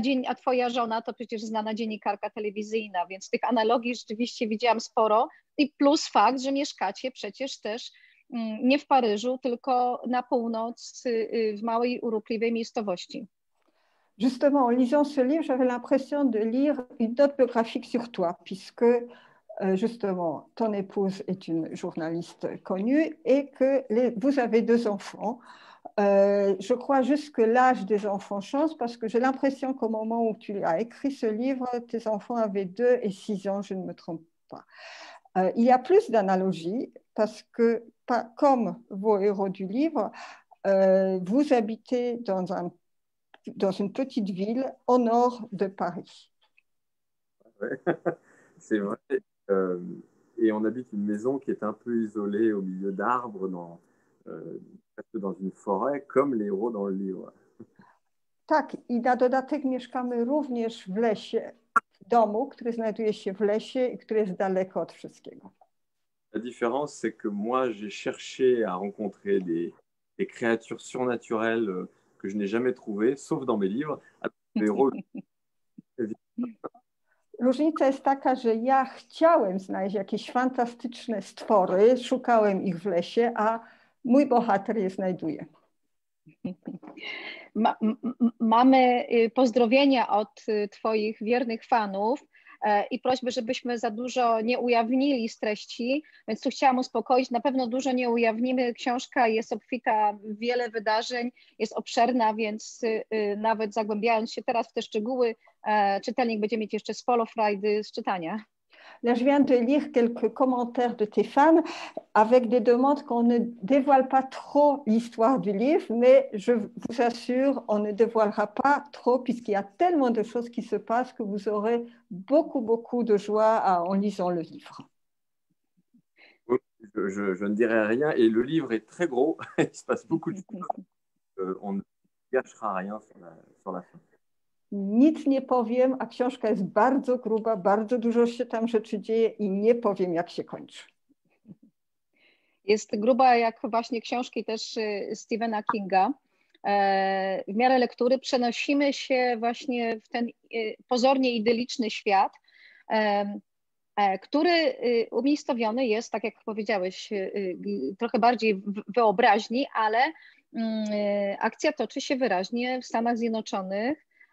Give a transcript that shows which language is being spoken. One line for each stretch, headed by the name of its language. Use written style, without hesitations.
Polish: A twoja żona to przecież znana dziennikarka telewizyjna, więc tych analogii rzeczywiście widziałam sporo. I plus fakt, że mieszkacie przecież też nie w Paryżu, tylko na północ, w małej, urokliwej miejscowości.
French: Justement, en lisant ce livre, j'avais l'impression de lire une autobiographie sur toi, puisque justement, ton épouse est une journaliste connue et que vous avez 2 enfants. Je crois juste que l'âge des enfants change parce que j'ai l'impression qu'au moment où tu as écrit ce livre, tes enfants avaient 2 et 6 ans, je ne me trompe pas. Il y a plus d'analogies parce que, pas comme vos héros du livre, vous habitez dans une petite ville au nord de Paris. Ouais. C'est vrai. Et on habite une maison qui est un peu isolée au milieu d'arbres, presque dans une forêt, comme les héros dans le livre.
Polish: Tak, i na dodatek mieszkamy również w lesie, w domu, który znajduje się w lesie i który jest daleko od wszystkiego.
French: La différence, c'est que moi, j'ai cherché à rencontrer des créatures surnaturelles que je n'ai jamais trouvées, sauf dans mes livres.
Polish: Różnica jest taka, że ja chciałem znaleźć jakieś fantastyczne stwory, szukałem ich w lesie, a mój bohater je znajduje. Mamy pozdrowienia od twoich wiernych fanów i prośbę, żebyśmy za dużo nie ujawnili z treści, więc tu chciałam uspokoić, na pewno dużo nie ujawnimy, książka jest obfita, wiele wydarzeń, jest obszerna, więc nawet zagłębiając się teraz w te szczegóły, czytelnik będzie mieć jeszcze sporo frajdy z czytania.
French: Là, je viens de lire quelques commentaires de tes fans avec des demandes qu'on ne dévoile pas trop l'histoire du livre, mais je vous assure, on ne dévoilera pas trop puisqu'il y a tellement de choses qui se passent que vous aurez beaucoup, beaucoup de joie en lisant le livre. Oui, je ne dirai rien et le livre est très gros, il se passe beaucoup de choses, on ne gâchera rien sur la fin.
Polish: Nic nie powiem, a książka jest bardzo gruba, bardzo dużo się tam rzeczy dzieje i nie powiem, jak się kończy. Jest gruba jak właśnie książki też Stephena Kinga. W miarę lektury przenosimy się właśnie w ten pozornie idylliczny świat, który umiejscowiony jest, tak jak powiedziałeś, trochę bardziej wyobraźni, ale akcja toczy się wyraźnie w Stanach Zjednoczonych.